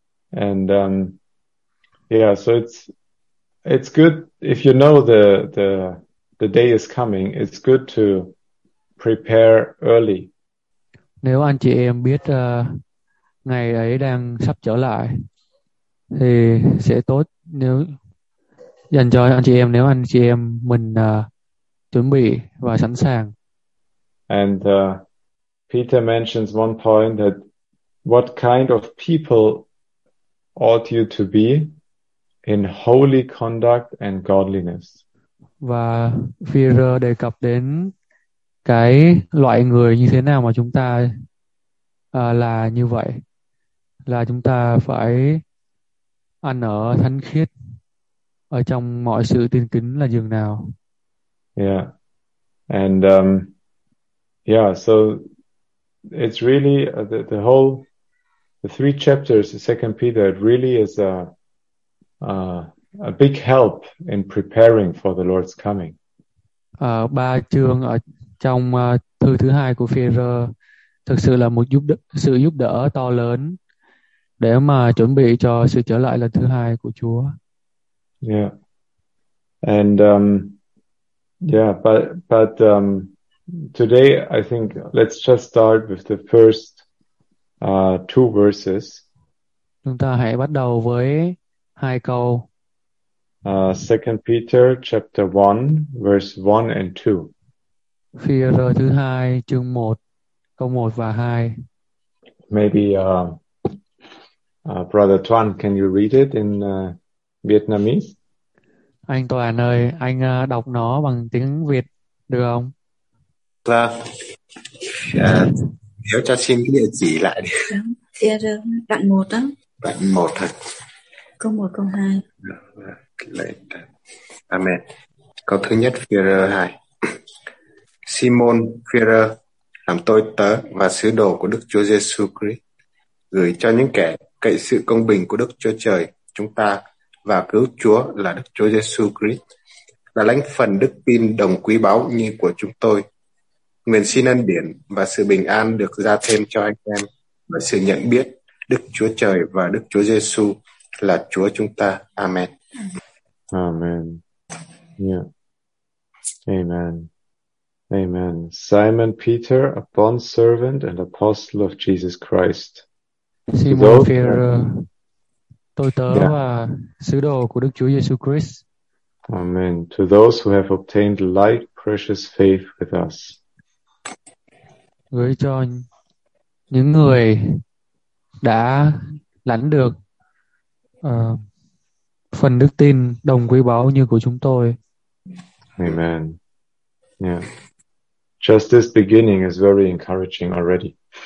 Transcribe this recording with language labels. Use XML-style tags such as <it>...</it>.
<en>And yeah, so it's good if you know the day is coming, it's good to prepare early.</en> <vi>Nếu anh chị em biết ngày ấy đang sắp trở lại thì sẽ tốt nếu dành cho anh chị em, nếu anh chị em mình chuẩn bị và sẵn sàng.</vi> <en>And Peter mentions one point that what kind of people ought you to be in holy conduct and godliness.</en> <vi>Và Peter đề cập đến cái loại người như thế nào mà chúng ta là như vậy, là chúng ta phải ăn ở thánh khiết ở trong mọi sự tin kính là dường nào.</vi> <en>Yeah, and yeah, so it's really the whole, the three chapters, the second Peter, it really is a big help in preparing for the Lord's coming.</en> <vi>Ba chương ở trong thư thứ hai của Phi Rơ thực sự là một sự giúp đỡ to lớn để mà chuẩn bị cho sự trở lại lần thứ hai của Chúa.</vi> <en>Yeah. And yeah, but today I think let's just start with the first two verses.</en> <vi>Chúng ta hãy bắt đầu với hai câu.</vi> <en>Second Peter chapter 1 verse 1 and 2.</en> <vi>Phi Rơ thứ hai chương 1 câu 1 và 2.</vi> <en>Maybe Brother Tuan, can you read it in Vietnamese?</en> <vi>Anh Toàn ơi, anh đọc nó bằng tiếng Việt được không? Dạ. Nếu cho xin cái địa chỉ lại đi. Phi Rơ đoạn 1 á. Đoạn 1 thật. Câu 1 câu 2. Amen. Câu thứ nhất Phi Rơ 2. Simon Peter, làm tôi tớ và sứ đồ của Đức Chúa Giêsu Christ, gửi cho những kẻ cậy sự công bình của Đức Chúa Trời chúng ta và cứu Chúa là Đức Chúa Giêsu Christ, là lãnh phần đức tin đồng quý báu như của chúng tôi. Nguyện xin ân điển và sự bình an được gia thêm cho anh em và sự nhận biết Đức Chúa Trời và Đức Chúa Giêsu là Chúa chúng ta. Amen. Amen.</vi> <en>Yeah. Amen. Amen. Simon Peter, a bond servant and apostle of Jesus Christ.</en> <vi>Simon Peter, tôi tớ và sứ đồ của Đức Chúa Giêsu Christ.</vi> <en>Amen. To those who have obtained like precious faith with us.</en> <vi>Gửi cho những người đã lãnh được phần đức tin đồng quý báu như của chúng tôi.</vi> <en>Amen. Yeah. Just this beginning is very encouraging already.</en>